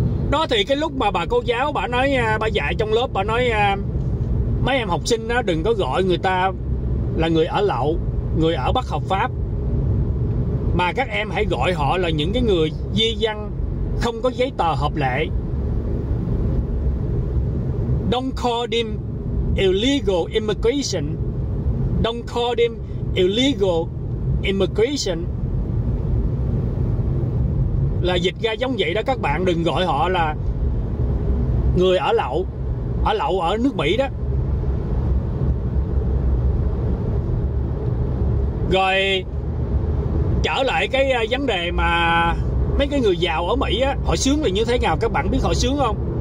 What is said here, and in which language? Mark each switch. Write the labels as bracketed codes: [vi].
[vi] Đó thì cái lúc mà bà cô giáo bà nói, bà dạy trong lớp bà nói mấy em học sinh đó đừng có gọi người ta là người ở lậu, người ở bất hợp pháp, mà các em hãy gọi họ là những cái người di dân không có giấy tờ hợp lệ. [en] Don't call them illegal immigration. Don't call them illegal immigration. [vi] Là dịch ra giống vậy đó các bạn, đừng gọi họ là người ở lậu, ở lậu ở nước Mỹ đó. Rồi trở lại cái vấn đề mà mấy cái người giàu ở Mỹ á, họ sướng là như thế nào các bạn biết họ sướng không?